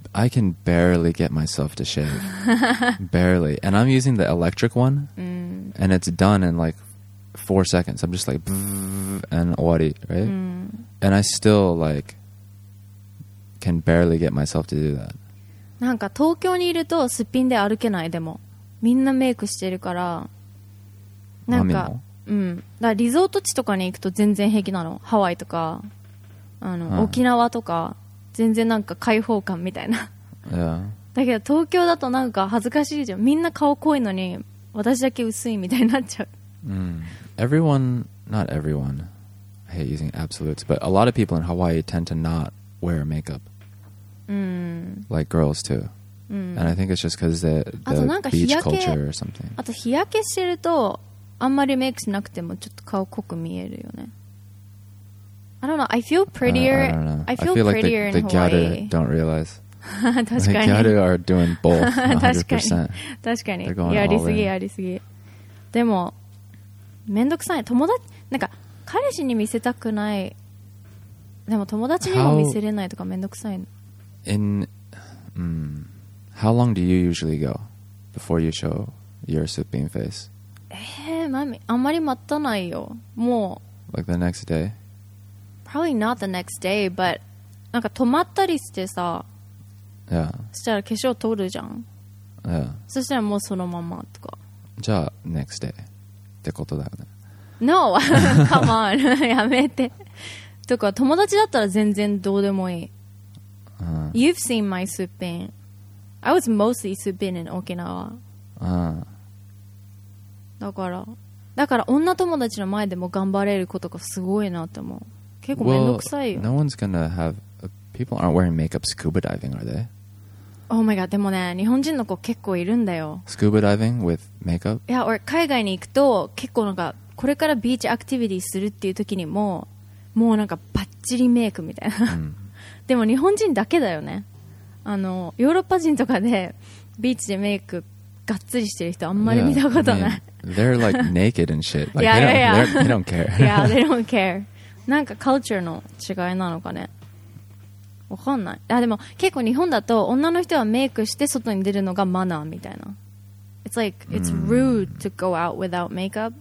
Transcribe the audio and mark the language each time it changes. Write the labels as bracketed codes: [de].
[en] I can barely get myself to shave Barely And I'm using the electric one、 [ja] うん、 [en] And it's done in like 4 seconds I'm just like And [ja] 終わり [en] Right、 [ja] うん、 [en] And I still likeCan barely get myself to do that. [ja] なんか東京にいるとすっぴんで歩けないでもみんなメイクしてるからなんかうんだからリゾート地とかに行くと全然平気なのハワイとかあの、沖縄とか全然なんか開放感みたいな、 [en] yeah. [ja] だけど東京だとなんか恥ずかしいじゃんみんな顔濃いのに私だけ薄いみたいになっちゃう、 [en] Everyone, not everyone, I hate using absolutes, but a lot of people in Hawaii tend to notwear makeup、like girls too、and I think it's just because the beach culture or something [ja] あと日焼けしてるとあんまりメイクしなくてもちょっと顔濃く見えるよね [en] I don't know I feel prettier I feel like prettier the gyaru don't realize [ja] 確かに [en] the gyaru are doing both 100% [ja] 確かにやりすぎやりすぎでもめんどくさい友達なんか彼氏に見せたくないでも友達にも見せれないとかめんどくさいの。 [en] How long do you usually go before you show your supine face? [ja] マミ、あんまり待たないよ。もう。 [en] Like the next day? Probably not the next day, but [ja] なんか止まったりしてさ。 [en] Yeah. [ja] したら化粧取るじゃん。 [en] Yeah. [ja] そしたらもうそのままとか。じゃあ、 [en] next day [ja] ってことだよね。 [en] No! Come on! [ja] やめて。とか友達だったら全然どうでもいい、 [en] You've seen my supin I was mostly supin in Okinawa、 [ja] だから女友達の前でも頑張れることがすごいなって思う結構めんどくさいよ [en] well, No one's gonna have People aren't wearing makeup scuba diving are they? Oh my god [ja] でもね日本人の子結構いるんだよ [en] Scuba diving with makeup? [ja] いや俺海外に行くと結構なんかこれからビーチアクティビティするっていう時にももうなんかバッチリメイクみたいな、でも日本人だけだよね。あのヨーロッパ人とかでビーチでメイクがっつりしてる人あんまり見たことない。 [en] yeah, I mean, They're like naked and shit. Like, they don't care. Yeah, they don't care. [ja] なんかカルチャーの違いなのかね。わかんない。あ、でも結構日本だと女の人はメイクして外に出るのがマナーみたいな。 [en] It's like, it's rude to go out without makeup.